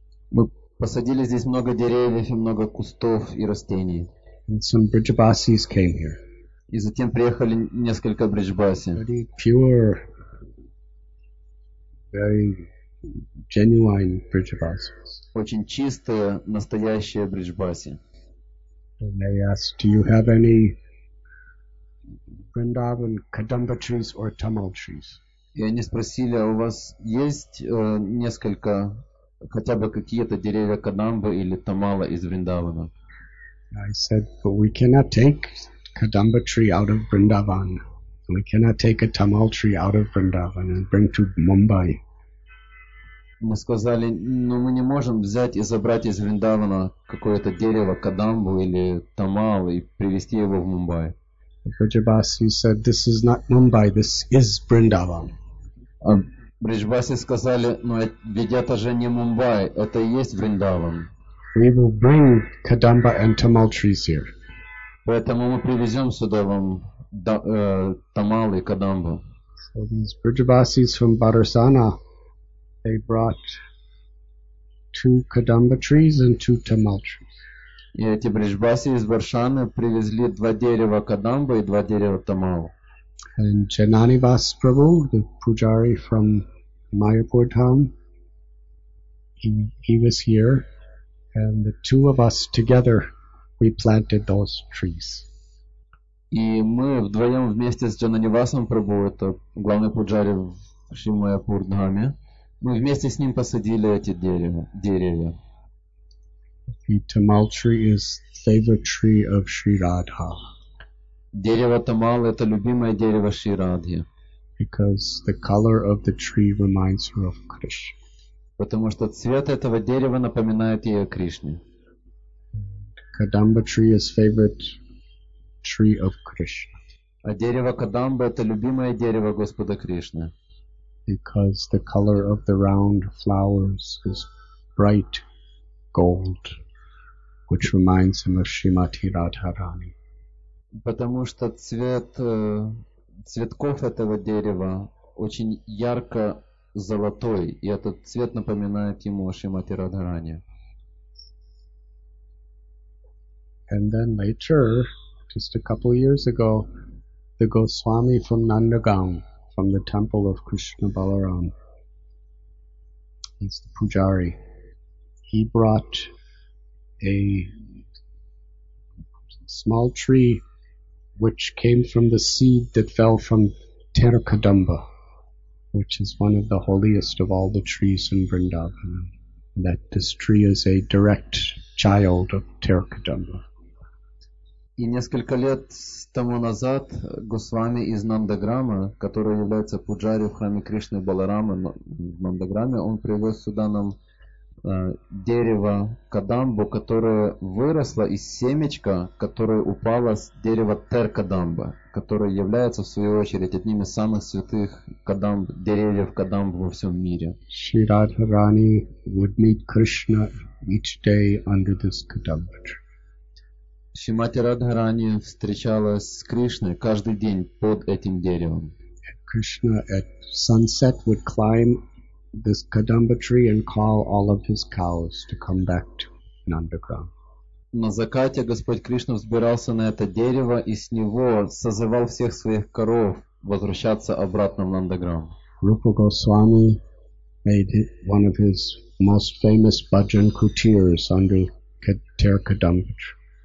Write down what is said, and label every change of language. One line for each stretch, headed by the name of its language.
Russian: Мы посадили здесь много деревьев и много кустов и растений.
English: And some Brijabasis came here.
Russian: И затем приехали несколько Брижбаси.
English: Very pure, very genuine Brijabasis.
Russian: Очень чистые, настоящие Брижбаси.
English: And they asked, "Do you have any Vrindavan kadamba trees or tamal trees?"
Russian: И они спросили, у вас есть несколько, хотя бы какие-то деревья кадамба или тамала из Вриндавана?
English: I said, but we cannot take kadamba tree out of Vrindavan. We cannot take a tamal tree out of Vrindavan and bring to Mumbai.
Russian: Мы сказали, но мы не можем взять и забрать из Вриндавана какое-то дерево, кадамбу или тамал, и привезти его в Мумбай.
English: Бриджбаси said, this is not Mumbai, this is Vrindavan.
Russian: Бриджбаси сказали, но ведь это же не Мумбай, это и есть Вриндаван.
English: We will bring kadamba and tamal trees here.
Russian: Поэтому мы привезем сюда вам тамал и кадамбу.
English: So these Brijabasis from Barasana, they brought two kadamba trees and two tamal trees.
Russian: И эти Брижбаси из Баршаны привезли два дерева кадамбы и два дерева тамала.
English: And Jananivas Prabhu, the pujari from Mayapur town, he was here, and the two of us together, we planted those trees.
Russian: И мы вдвоем вместе с Джонани Васом Прабу, это главный пуджари в Шимаяпурдхаме, мы вместе с ним посадили эти деревья.
English: The tamal tree is favorite tree of Sri Radha.
Russian: Дерево тамал – это любимое дерево Шри Радхи.
English: Because the color of the tree reminds her of Krishna.
Russian: Потому что цвет этого дерева напоминает ей о Кришне.
English: Kadamba tree is favorite tree of Krishna.
Russian: А дерево кадамба – это любимое дерево Господа Кришны.
English: Because the color of the round flowers is bright gold, which reminds him of Shrimati Radharani.
Russian: Потому что цветков этого дерева очень ярко золотой, и этот цвет напоминает ему о Шримати Радхарани.
English: And then later, just a couple of years ago, the Goswami from Nandagaon, from the temple of Krishna Balaram, he's the pujari, he brought a small tree which came from the seed that fell from Terakadamba, which is one of the holiest of all the trees in Vrindavan. That this tree is a direct child of Terakadamba.
Russian: И несколько лет тому назад Госвами из Нандаграма, который является пуджари в храме Кришны Баларамы в Нандаграме, он привез сюда нам дерево кадамбу, которое выросло из семечка, которое упало с дерева Теркадамба, которое является в свою очередь одним из самых святых кадамб, деревьев кадамб во всем мире.
English: Шри Радхарани would meet Krishna each day under this kadamba tree.
Russian: Шримати Радхарани встречалась с Кришной каждый день под этим деревом.
English: Krishna at sunset would climb this kadamba tree and call all of his cows to come back to Nandagram.
Russian: На закате Господь Кришна взбирался на это дерево и с него созывал всех своих коров возвращаться обратно в Нандаграм.
English: Rupa Goswami made one of his most famous bhajan kutirs under Terakadamba tree.